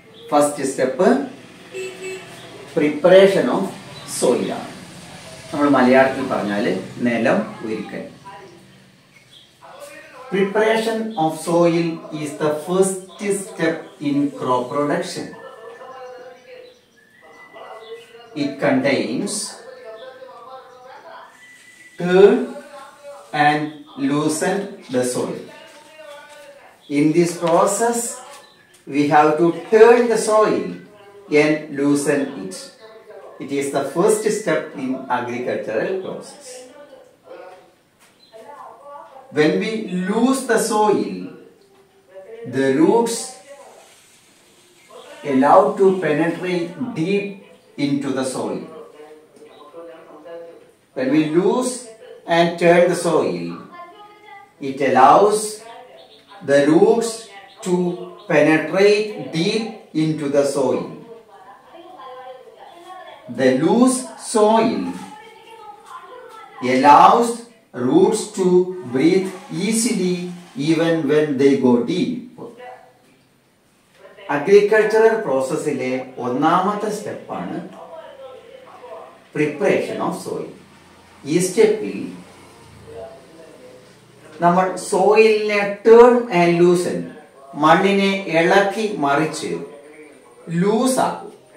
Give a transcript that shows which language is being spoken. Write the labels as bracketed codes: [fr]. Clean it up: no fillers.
[en] First step preparation of soil ആണ്. [ml] നമ്മൾ മലയാളത്തിൽ പറഞ്ഞാൽ നിലം ഒരുക്കൽ. [en] Preparation of soil is the first step in crop production. It contains turn and loosen the soil. In this process, we have to turn the soil and loosen it. It is the first step in agricultural process. When we loose the soil, the roots allow to penetrate deep into the soil. When we loose and turn the soil, it allows the roots to penetrate deep into the soil. The loose soil allows roots to breathe easily even when they go deep. [ml] Agricultural പ്രോസസ്സിലെ ഒന്നാമത്തെ സ്റ്റെപ്പാണ് preparation of soil. ഈ സ്റ്റെപ്പിൽ നമ്മൾ സോയിലിനെ [en] turn and loosen [ml] മണ്ണിനെ ഇളക്കി മറിച്ച് ലൂസാക്കും.